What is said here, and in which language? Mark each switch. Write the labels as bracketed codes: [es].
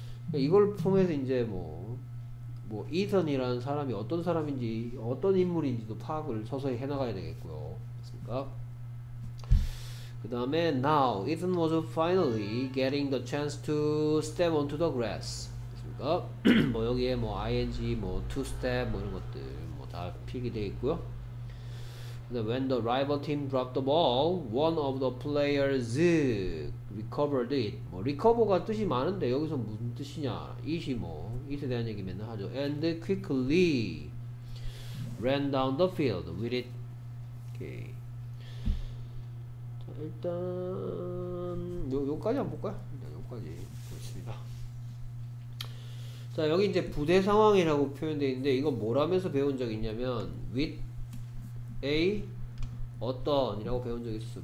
[ko] 그러니까 이걸 통해서 이제 뭐 Ethan이라는 사람이 어떤 사람인지 어떤 인물인지도 파악을 서서히 해나가야 되겠고요. 그 다음에 [en] now Ethan was finally getting the chance to step onto the grass. [ko] 그러니까 뭐 여기에 뭐 ing 뭐 to step 뭐 이런 것들 뭐 다 필기되어 있고요. 근데 [en] when the rival team dropped the ball, one of the players recovered it. [ko] 뭐 recover가 뜻이 많은데 여기서 무슨 뜻이냐? it이 뭐 it에 대한 얘기 맨날 하죠. [en] and quickly ran down the field with it. [ko] 오케이. 일단 요까지 한번 볼까요? 일단 요까지 보겠습니다. 자 여기 이제 부대 상황이라고 표현되어 있는데 이건 뭐라면서 배운 적이 있냐면 with A 어떤 이라고 배운 적이 있어.